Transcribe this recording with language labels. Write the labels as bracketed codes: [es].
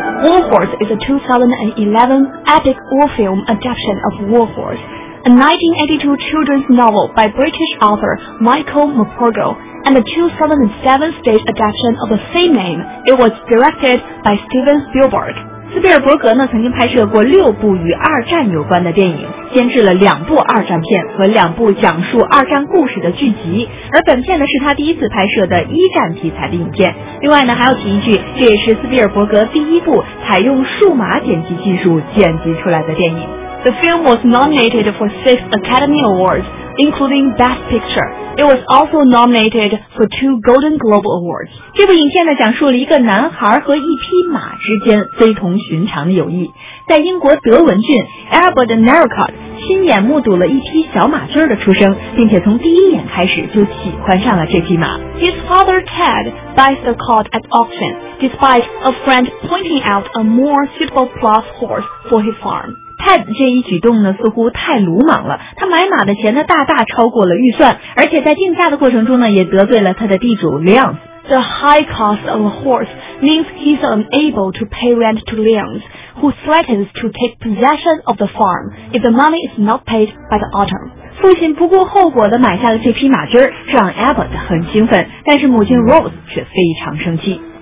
[en] War Horse is a 2011 epic war film adaptation of War Horse, a 1982 children's novel by British author Michael McCorgo. And the 2007 stage adaptation of the same name. It was directed by Steven Spielberg. [zh] 斯皮尔伯格呢曾经拍摄过六部与二战有关的电影，监制了两部二战片和两部讲述二战故事的剧集。而本片呢是他第一次拍摄的一战题材的影片。另外呢还要提一句，这也是斯皮尔伯格第一部采用数码剪辑技术剪辑出来的电影。 [en] The film was nominated for 6 Academy Awards. Including Best Picture. It was also nominated for 2 Golden Globe Awards. [zh] 这部影片呢讲述了一个男孩和一匹马之间非同寻常的友谊。在英国德文郡 Albert Narracott 亲眼目睹了一匹小马驹的出生，并且从第一眼开始就喜欢上了这匹马。 [en] His father Ted buys the colt at auction, despite a friend pointing out a more suitable plus horse for his farm. [zh] Ted 这一举动呢似乎太鲁莽了，他买马的钱呢大大超过了预算，而且在竞价的过程中呢也得罪了他的地主 Leons。 [en] The high cost of a horse means he's unable to pay rent to Leons, who threatens to take possession of the farm if the money is not paid by the autumn. [zh] 父亲不顾后果地买下了这匹马驹，让 Abbott 很兴奋，但是母亲 Rose 却非常生气。